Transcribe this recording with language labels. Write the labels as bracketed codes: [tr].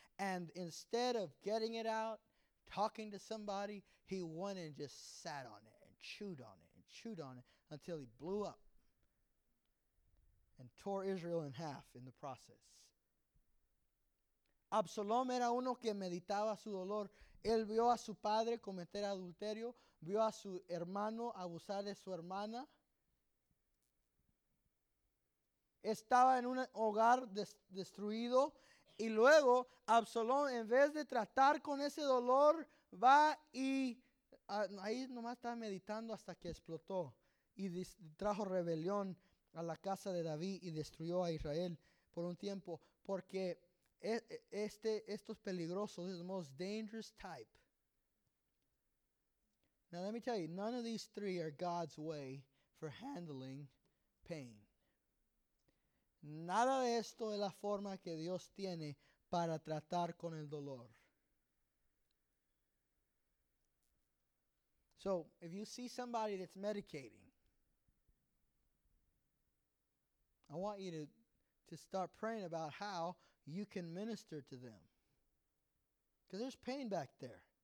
[en] And instead of getting it out, talking to somebody, he went and just sat on it and chewed on it and chewed on it until he blew up and tore Israel in half in the process. [es] Absalom era uno que meditaba su dolor Él vio a su padre cometer adulterio, vio a su hermano abusar de su hermana. Estaba en un hogar destruido. Y luego Absalón, en vez de tratar con ese dolor, va y ahí nomás estaba meditando hasta que explotó y trajo rebelión a la casa de David y destruyó a Israel por un tiempo. Porque estos peligrosos, [en] the most dangerous type. Now let me tell you, none of these three are God's way for handling pain. [es] Nada de esto es la forma que Dios tiene para tratar con el dolor. [en] So, if you see somebody that's medicating, I want you to start praying about how you can minister to them. Because there's pain back there.